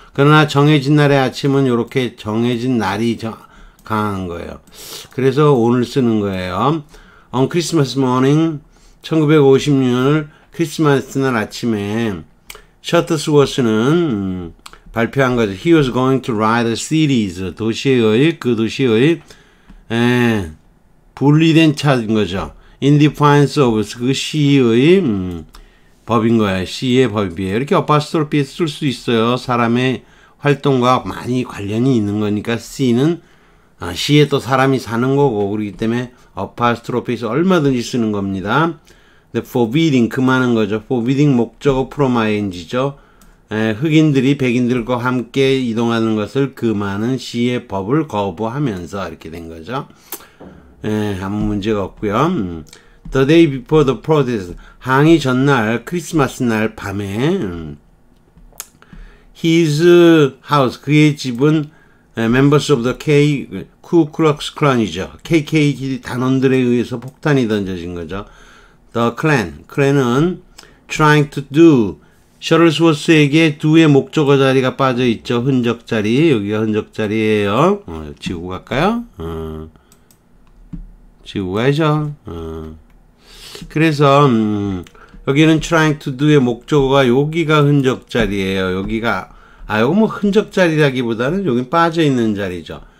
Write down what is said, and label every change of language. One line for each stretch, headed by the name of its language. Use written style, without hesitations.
Korean: 그러나 정해진 날의 아침은 이렇게 정해진 날이 강한 거예요. 그래서 오늘 쓰는 거예요.
English: On Christmas morning,
Korean: 1956년을 크리스마스 날 아침에 셔터스워스는 발표한 거죠.
English: He was going to ride a series.
Korean: 그 도시의 분리된 차인 거죠.
English: In defiance of
Korean: 그 시의 법인 거예요. 시의 법이에요. 이렇게 apostrophe 쓸 수 있어요. 사람의 활동과 많이 관련이 있는 거니까 시는 시에 또 사람이 사는 거고 그렇기 때문에 apostrophe 얼마든지 쓰는 겁니다.
English: The forbidding
Korean: 금하는 거죠. Forbidding 목적어 promising죠. 흑인들이 백인들과 함께 이동하는 것을 금하는 시의 법을 거부하면서 이렇게 된 거죠. 아무 문제가 없고요.
English: The day before the protest,
Korean: 항의 전날, 크리스마스 날 밤에
English: his house,
Korean: 그의 집은
English: members of the K,
Korean: Ku Klux Klan이죠. KK 단원들에 의해서 폭탄이 던져진 거죠. The Klan, Klan은
English: trying to do,
Korean: 셔틀스워스에게 do의 목적어 자리가 빠져있죠. 흔적 자리, 여기가 흔적 자리예요. 지우고 갈까요? 지우고 가야죠. 그래서 여기는 trying to do의 목적어가 여기가 흔적 자리예요. 여기가 이거 뭐 흔적 자리라기보다는 여기 빠져 있는 자리죠.